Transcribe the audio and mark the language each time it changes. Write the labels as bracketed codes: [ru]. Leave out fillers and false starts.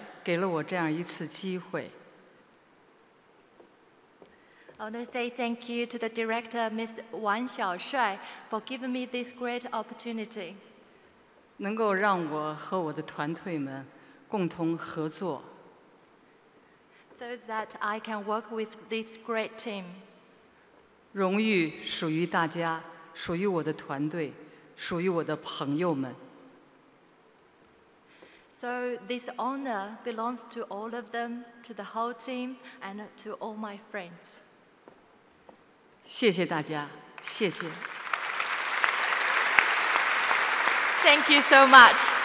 [zh] 谢谢我的导演王小帅给了我这样一次机会. [en] I want to say thank you to the director, Ms. Wang Xiaoshuai, for giving me this great opportunity. [zh] 能够让我和我的团队们共同合作. [en] So that I can work with this great team. [zh] 荣誉属于大家, 属于我的团队, 属于我的朋友们. [en] So this honor belongs to all of them, to the whole team, and to all my friends. [zh] 谢谢大家, 谢谢. [en] Thank you so much.